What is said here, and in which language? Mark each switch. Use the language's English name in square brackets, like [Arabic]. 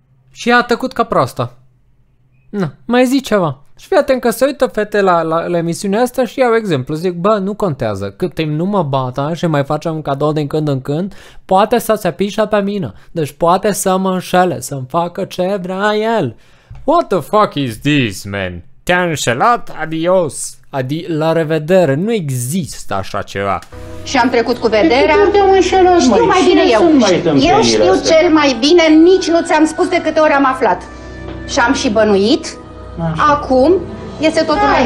[Romanian] Și a tăcut ca proastă. Na, mai zic ceva. Și fii atent că se uită fete la emisiunea asta și iau exemplu. Zic, bă, nu contează. Cât timp nu mă bata și mai facem un cadou din când în când, poate să se apișa pe mine. Deci poate să mă înșele, să-mi facă ce vrea el. [English] What the fuck is this, man? [Romanian] Te-a înșelat? Adios! La revedere, nu există așa ceva. Și am trecut cu vederea. Păi, te-am înșelat, știu mai bine eu. Eu știu asta cel mai bine, nici nu ți-am spus de câte ori am aflat. Și am și bănuit. Așa. Acum iese totul mai.